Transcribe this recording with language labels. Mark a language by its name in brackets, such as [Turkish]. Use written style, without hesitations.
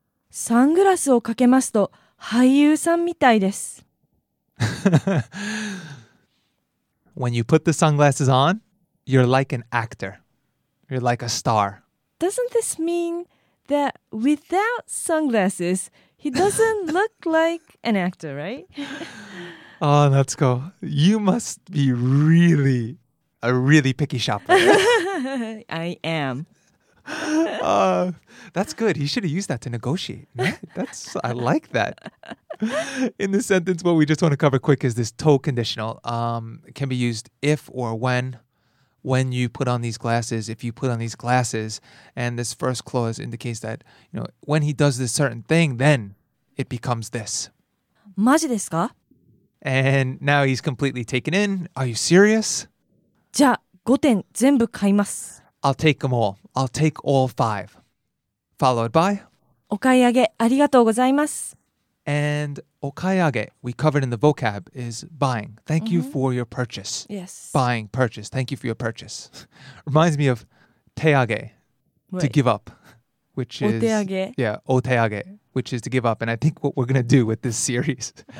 [Japanese] サングラスをかけますと俳優さんみたいです。 [English] When you put the sunglasses on, you're like an actor. You're like a star. Doesn't this mean that without sunglasses, he doesn't look like an actor, right? Oh, Natsuko, you must be really, a really picky shopper. I am. That's good. He should have used that to negotiate. I like that. In this sentence, what we just want to cover quick is this to conditional. It can be used if or when you put on these glasses, if you put on these glasses. And this first clause indicates that, you know, when he does this certain thing, then it becomes this. [Japanese] マジですか? [English] And now he's completely taken in. Are you serious? [Japanese] じゃあ、5点全部買います。 [English] I'll take them all. I'll take all five. Followed by? [Japanese] お買い上げありがとうございます。 [English] And お買い上げ, we covered in the vocab, is buying. Thank you for your purchase. Yes. Buying, purchase. Thank you for your purchase. Reminds me of 手上げ, to give up, which is... [Japanese] お手上げ. [English] Yeah, お手上げ, which is to give up. And I think what we're going to do with this series.